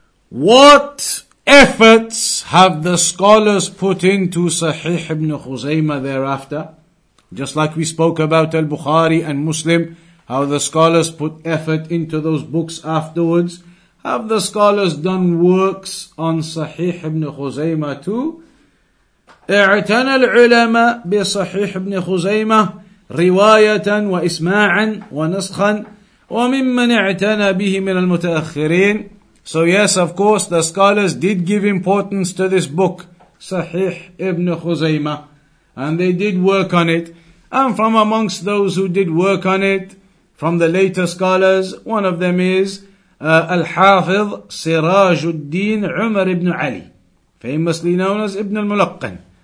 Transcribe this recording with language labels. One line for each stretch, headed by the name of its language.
English: What efforts have the scholars put into Sahih Ibn Khuzaymah thereafter? Just like we spoke about Al-Bukhari and Muslim, how the scholars put effort into those books afterwards. Have the scholars done works on Sahih Ibn Khuzaymah too?
Arabic: اعتنى العلماء بصحيح ابن خزيمة رواية وإسماعا ونسخا وممن اعتنى به من المتأخرين.
English: So yes, of course, the scholars did give importance to this book, Sahih ibn Khuzaymah, and they did work on it. And from amongst those who did work on it, from the later scholars, one of them is Al-Hafidh Sirajuddin Umar ibn Ali, famously known as Ibn al-Mulaqqan.